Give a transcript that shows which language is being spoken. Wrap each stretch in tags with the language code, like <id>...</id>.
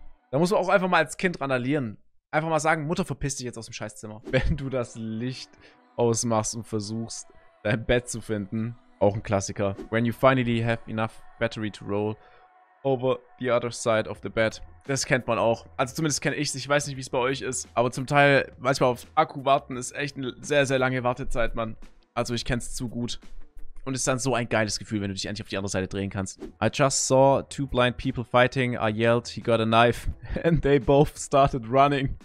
<de>Da musst du auch einfach mal als Kind randalieren. Einfach mal sagen, Mutter, verpiss dich jetzt aus dem Scheißzimmer. Wenn du das Licht ausmachst und versuchst, dein Bett zu finden, auch ein Klassiker.</de> <en>When you finally have enough battery to roll over the other side of the bed.</en> <de>Das kennt man auch. Also zumindest kenne ich es. Ich weiß nicht, wie es bei euch ist. Aber zum Teil, manchmal auf Akku warten, ist echt eine sehr, sehr lange Wartezeit, Mann. Also ich kenn's zu gut. Und es ist dann so ein geiles Gefühl, wenn du dich endlich auf die andere Seite drehen kannst.</de> <en>I just saw two blind people fighting. I yelled, he got a knife. And they both started running.</en>